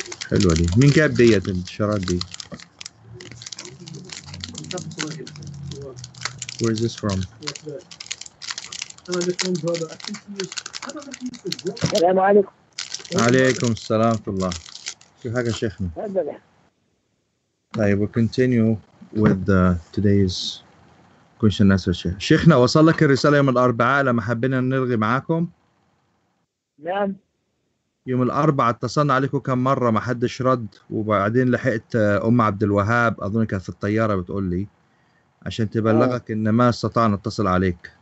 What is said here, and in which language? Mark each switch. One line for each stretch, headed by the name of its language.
Arabic: حلوة دي. مين جاب دي الشراب دي؟
English: Where is this from?
Arabic: السلام عليكم. عليكم السلام ورحمة الله. في حاجة شيخنا. طيب
English: continue with today's question answer.
Arabic: شيخنا وصل لك الرسالة يوم الأربعاء لما حبينا نلغي معاكم؟ نعم. يوم الأربعاء اتصلنا عليكم كم مرة ما حدش رد، وبعدين لحقت أم عبد الوهاب أظن كانت في الطيارة بتقول لي عشان تبلغك إن ما استطعنا اتصل عليك.